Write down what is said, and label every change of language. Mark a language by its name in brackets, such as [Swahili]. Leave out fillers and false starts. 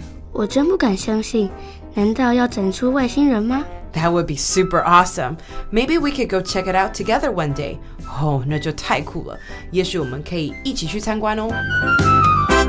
[Chinese] 我真不敢相信，难道要展出外星人吗？ [English] That would be super awesome. Maybe we could go check it out together one day. [Chinese] 哦，那就太酷了！也许我们可以一起去参观哦。